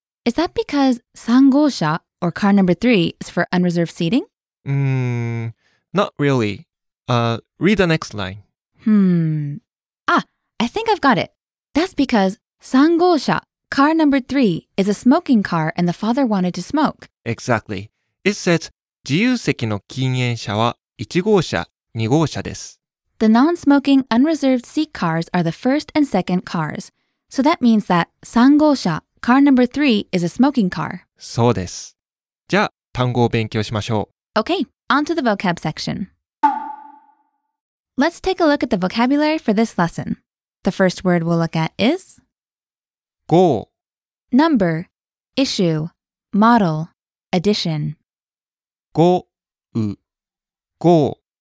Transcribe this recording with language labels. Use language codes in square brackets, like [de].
[en] Is that because 3号車, or car number 3, is for unreserved seating? Not really. Read the next line. I think I've got it. That's because 3号車, car number 3, is a smoking car and the father wanted to smoke. Exactly. It says, [ja] 自由席の禁煙車は1号車、2号車です。 [en] The non-smoking unreserved seat cars are the first and second cars. So that means that 3号車, Car number 3 is a smoking car. [ja] そうです。じゃあ、単語を勉強しましょう。 [en] Okay, on to the vocab section. Let's take a look at the vocabulary for this lesson. The first word we'll look at is... [ja] 号 [en] Number, issue, model, addition. [ja] 号 号